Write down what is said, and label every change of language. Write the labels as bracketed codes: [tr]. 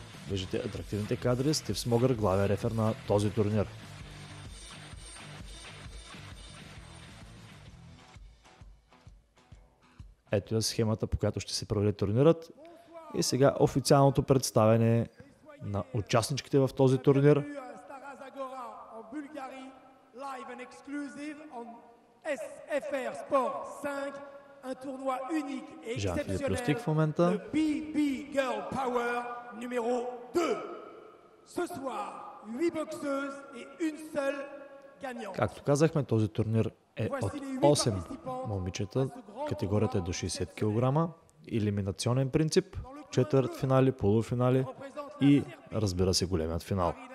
[bg] Виждате атрактивните кадри. Стив Смогър, главен рефер на този турнир. Ето е схемата, по която ще се проведе турнирът. И сега официалното представяне на участничките в този турнир. Стара Загора в Българи, лайв и ексклюзив SFR Sport [fr] 5, un tournoi unique et exceptionnel, le BB Girl Power numéro 2. Ce soir, 8 boxeuses et une seule gagnante. [bg] Както казахме, този турнир е от 8 момичета, категорията е до 60 кг, елиминационен принцип, четвърт финали, полуфинали и, разбира се, големият финал.